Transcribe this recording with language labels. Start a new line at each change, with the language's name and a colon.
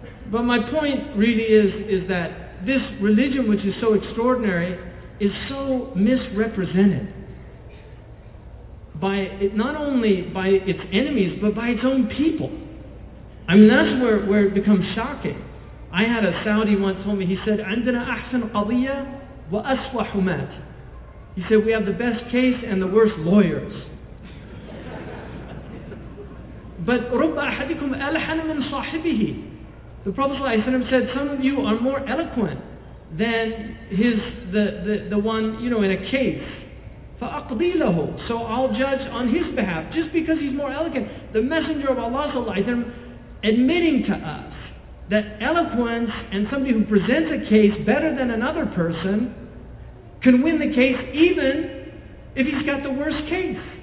English: But my point really is that this religion, which is so extraordinary, is so misrepresented by it, not only by its enemies, but by its own people. I mean, that's where it becomes shocking. I had a Saudi once told me, he said,
Arabic: عندنا أحسن قضية وأسوح مات.
English: He said, we have the best case and the worst lawyers. But
Arabic: رُبَّ أَحَدِكُمْ أَلْحَنَ مِنْ صَاحِبِهِ.
English: The Prophet ﷺ said, some of you are more eloquent than the one, you know, in a case.
Arabic: فَأَقْضِي لَهُ.
English: So I'll judge on his behalf, just because he's more eloquent. The Messenger of Allah ﷺ admitting to us that eloquence and somebody who presents a case better than another person can win the case even if he's got the worst case.